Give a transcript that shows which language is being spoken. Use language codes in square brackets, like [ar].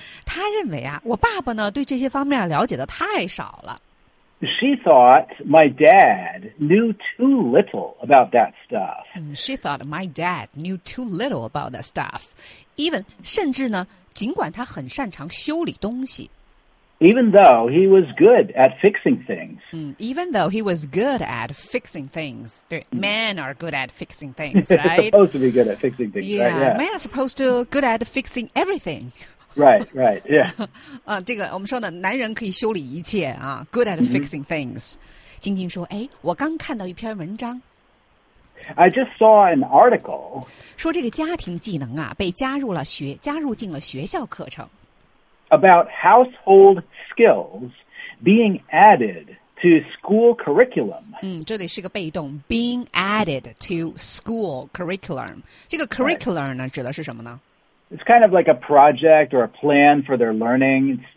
[zh] 他认为啊，我爸爸呢，对这些方面了解的太少了。 [en] She thought my dad knew too little about that stuff. She thought my dad knew too little about that stuff. Even, [zh] 甚至呢，尽管他很擅长修理东西。 [en] Even though he was good at fixing things. Even though he was good at fixing things. Men are good at fixing things, right? They're supposed to be good at fixing things, yeah, right? Yeah, men are supposed to be good at fixing everything. Right, yeah. [zh] 这个我们说的男人可以修理一切啊 [en] good at fixing things. [zh] 晶晶说哎我刚看到一篇文章。 [en] I just saw an article. [zh] 说这个家庭技能啊被加入进了学校课程。 [en] About household skills being added to school curriculum. [zh] 这里是个被动 [en] being added to school curriculum. [zh] 这个 curriculum 呢、 [en] right. [zh] 指的是什么呢 [en] It's kind of like a project or a plan for their learning.